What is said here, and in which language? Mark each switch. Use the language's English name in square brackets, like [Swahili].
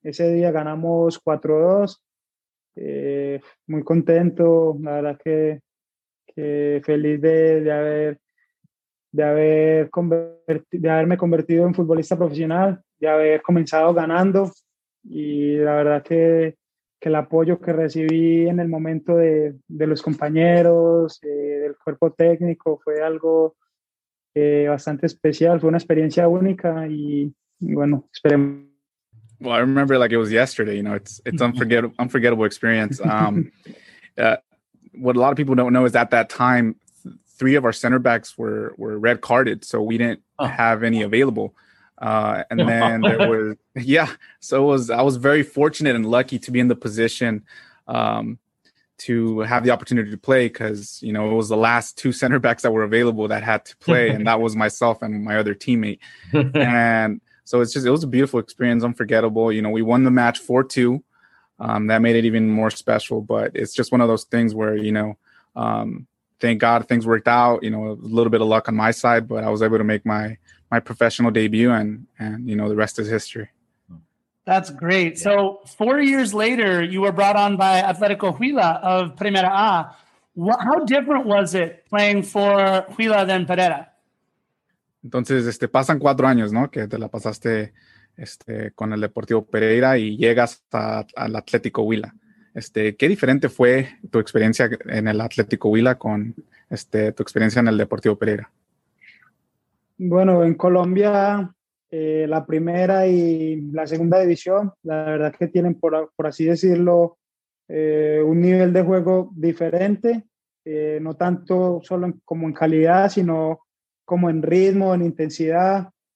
[Spanish] Ese día ganamos 4-2, muy contento, la verdad que feliz de haberme convertido en futbolista profesional, de haber comenzado ganando, y la verdad que el apoyo que recibí en el momento de los compañeros, del cuerpo técnico, fue algo bastante especial, fue una experiencia única, y bueno, esperemos. [English] Well, I remember like it was yesterday, you know, it's unforgettable experience. What a lot of people don't know is at that time, 3 of our center backs were red carded, so we didn't have any available. And then there was, so it was, I was very fortunate and lucky to be in the position to have the opportunity to play, because, you know, it was the last two center backs that were available that had to play, and that was myself and my other teammate. And so it's just, it was a beautiful experience, unforgettable. You know, we won the match 4-2. That made it even more special, but it's just one of those things where, you know, thank God things worked out, you know, a little bit of luck on my side, but I was able to make my professional debut, and you know, the rest is history. That's great. Yeah. So 4 years later, you were brought on by Atletico Huila of Primera A. How different was it playing for Huila than Pereira? [Spanish] Entonces, pasan cuatro años, ¿no? Que te la pasaste con el Deportivo Pereira y llegas al Atlético Huila. ¿Qué diferente fue tu experiencia en el Atlético Huila con tu experiencia en el Deportivo Pereira? Bueno, en Colombia, la primera y la segunda división, la verdad que tienen, por así decirlo, un nivel de juego diferente, no tanto solo como en calidad, sino como en ritmo, en intensidad.